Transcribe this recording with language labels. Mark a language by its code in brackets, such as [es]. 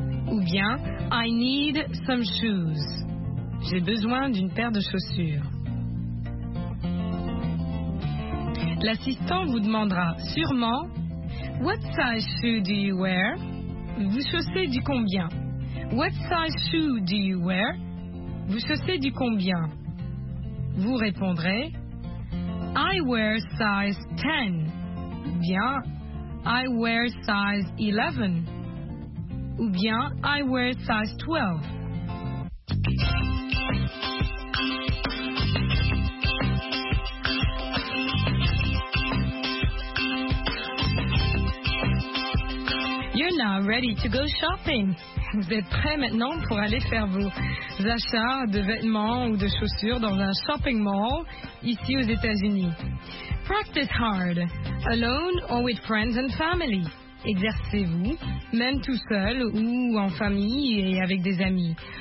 [fr] Ou bien, [en] I need some shoes. [fr] J'ai besoin d'une paire de chaussures. L'assistant vous demandera sûrement, [en] what size shoe do you wear? [fr] Vous chaussez du combien? [en] What size shoe do you wear? [fr] Vous chaussez du combien? Vous répondrez, [en] I wear size 10. [fr] Ou bien, [en] I wear size 11. [fr] Ou bien, [en] I wear size 12. You're now ready to go shopping. [fr] Vous êtes prêts maintenant pour aller faire vos achats de vêtements ou de chaussures dans un shopping mall ici aux États-Unis. [en] Practice hard, alone or with friends and family. [fr] Exercez-vous, même tout seul ou en famille et avec des amis.